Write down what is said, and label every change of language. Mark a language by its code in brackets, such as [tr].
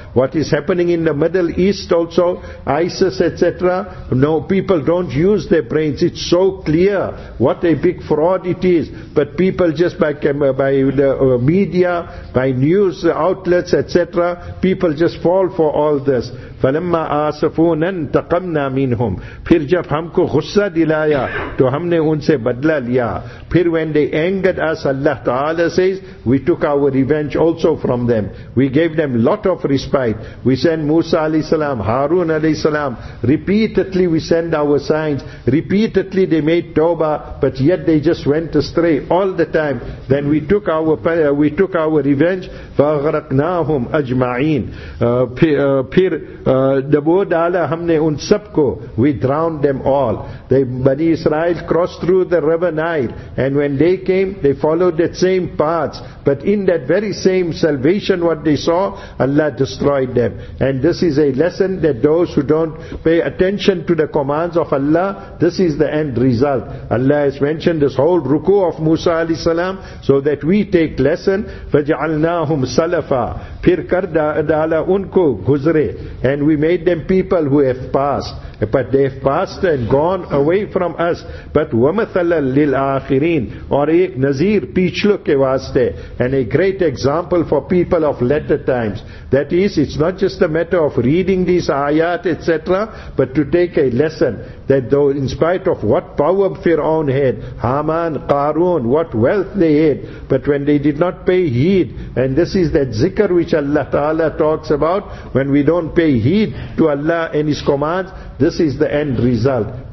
[en] What is happening in the Middle East also, ISIS, etc., no, people don't use their brains. It's so clear what a big fraud it is, but people just by the media, by news outlets, etc., people just fall for all this. [ar] فَلَمَّا آسَفُونَ انْتَقَمْنَا مِنْهُمْ [ur] پھر جب ہم کو غصہ دلایا تو ہم نے ان سے بدلہ لیا. [en] پھر when they angered us, Allah Ta'ala says, we took our revenge also from them. We gave them lot of respite. We sent Musa alayhi salam, Harun alayhi salam. Repeatedly we send our signs. Repeatedly they made Toba, but yet they just went astray all the time. Then we took our revenge. [ar] فَغْرَقْنَاهُمْ أَجْمَعِينَ [ur] پھر دبو ڈالا ہم نے ان سب کو. [en] We drowned them all. The Bani Israel crossed through the river Nile, and when they came, they followed that same path. But in that very same salvation what they saw, Allah destroyed them. And this is a lesson that those who don't pay attention to the commands of Allah, this is the end result. Allah has mentioned this whole ruku of Musa alayhi salam so that we take lesson. [ar] فَجَعَلْنَاهُمْ salafa, [ur] پھر کر ڈالا ان کو گزرے. [en] And we made them people who have passed. But they have passed and gone away from us. But [ar] وَمَثَلًا لِلْآخِرِينَ [ur] اور ایک نظیر پیچھلو کے واسطے. [en] And a great example for people of latter times. That is, it's not just a matter of reading these ayat, etc., but to take a lesson. That though in spite of what power Fir'aun had, Haman, Qarun, what wealth they had, but when they did not pay heed, and this is that zikr which Allah Ta'ala talks about, when we don't pay heed to Allah and His commands, this is the end result.